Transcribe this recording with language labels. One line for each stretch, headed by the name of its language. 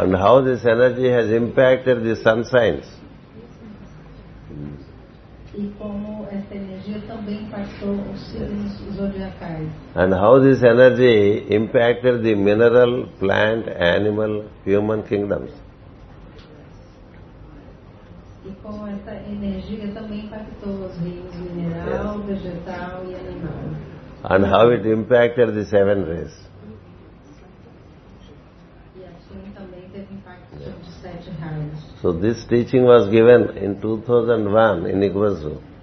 English: And how this energy has impacted the sun signs.
Portuguese: E como essa energia também passou os signos zodiacais.
English: And how this energy impacted the mineral, plant, animal, human kingdoms.
Portuguese: E como essa energia também impactou os reinos mineral,
English: yes,
Portuguese: vegetal e animal.
English: And how it impacted the seven rays.
Portuguese: E assim também teve impacto sobre os sete raios.
English: So this teaching was given in 2001 in Iguazu.